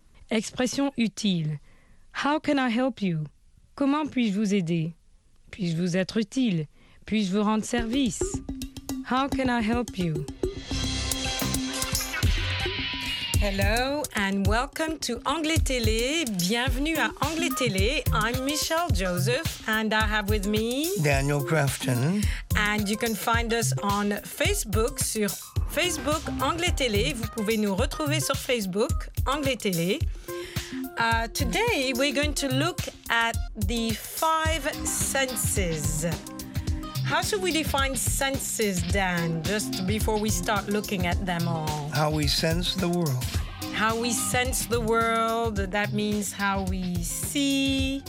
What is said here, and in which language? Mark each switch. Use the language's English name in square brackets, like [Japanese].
[French] Expression utile. [English] How can I help you? [French] Comment puis-je vous aider? Puis-je vous être utile? Puis-je vous rendre service? [English] How can I help you? Hello and welcome to Anglais Télé. [French] Bienvenue à Anglais Télé. [English] I'm Michelle Joseph and I have with me... Daniel Grafton. And you can find us on Facebook, [French] sur Facebook Anglais Télé. Vous pouvez nous retrouver sur Facebook Anglais Télé. [English] Today we're going to look at the five senses. How should we define senses, Dan, just before we start looking at them all? How we sense the world. How we sense the world, that means how we see.